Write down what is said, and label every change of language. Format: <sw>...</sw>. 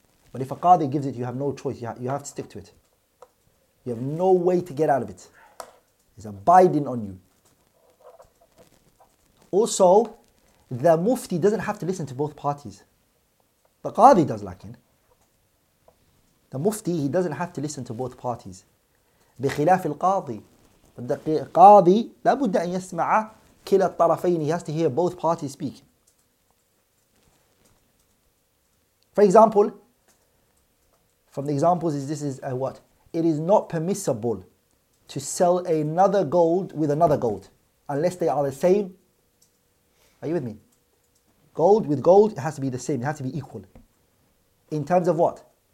<en>But if a qadi gives it, you have no choice, you have to stick to it. You have no way to get out of it. It's abiding on you. Also, the mufti doesn't have to listen to both parties. The qadi does, lakin. The mufti, he doesn't have to listen to both parties.</en> <ar>بخلاف القاضي. القاضي لابد أن يسمع كلا الطرفين.</ar> <en>He has to hear both parties speak. For example, from the examples is it is not permissible to sell another gold with another gold unless they are the same. Are you with me? Gold with gold, it has to be the same, it has to be equal. In terms of what?</en>